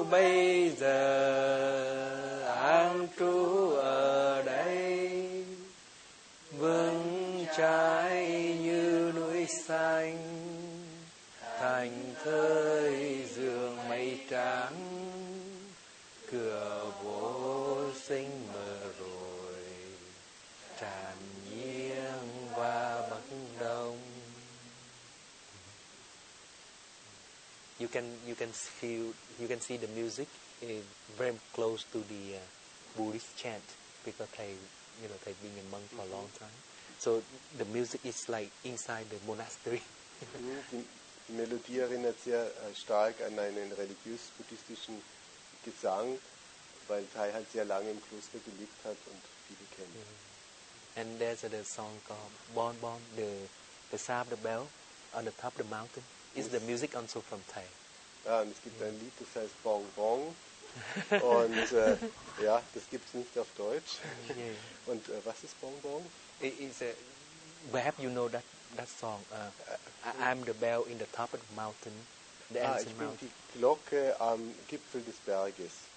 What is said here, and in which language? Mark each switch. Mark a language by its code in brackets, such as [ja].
[vi] bây giờ an trú ở đây vững trái như núi xanh thành thơi dường mây trắng cửa vô sinh mở rồi tràn nhiên qua bậc đồng. [en] You can see the music very close to the Buddhist chant because they've been a monk for a long time. So the music is like inside the monastery. [de] Die Melodie erinnert sehr stark an einen religiös buddhistischen Gesang, weil Thay halt sehr lange im Kloster gelebt hat und viele kennt. [en] And there's the song called Bon Bon, the sound of the bell on the top of the mountain. Is the music also from Thay? [de] Ah, und es gibt ein Lied, das heißt Bong Bong. Und ja, das gibt es nicht auf Deutsch. [en] Yeah. [de] Und was ist Bong Bong? [en] Perhaps you know that song. I'm the bell in the top of the mountain. The [de] ich bin [en] mountain. [de] Die Glocke am Gipfel des Berges.